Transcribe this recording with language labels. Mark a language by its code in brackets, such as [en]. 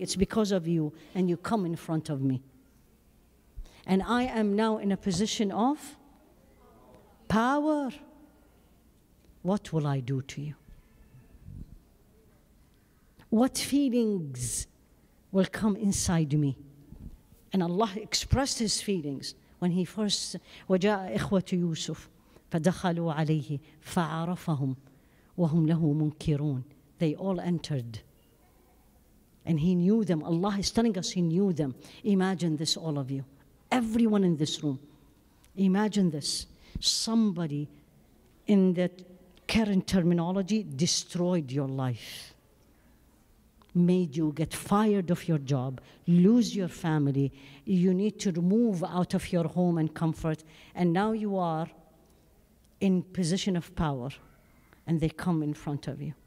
[en] It's because of you, and you come in front of me. And I am now in a position of power. What will I do to you? What feelings will come inside me? And Allah expressed his feelings when he first [ar] وَجَاءَ إِخْوَةُ يُوسُفَ فَدَخَلُوا عَلَيْهِ فَعَرَفَهُمْ وَهُمْ لَهُ مُنْكِرُونَ. [en] They all entered. And he knew them. Allah is telling us he knew them. Imagine this, all of you. Everyone in this room. Imagine this. Somebody in the current terminology destroyed your life. Made you get fired of your job, lose your family, you need to move out of your home and comfort, and now you are in position of power, and they come in front of you.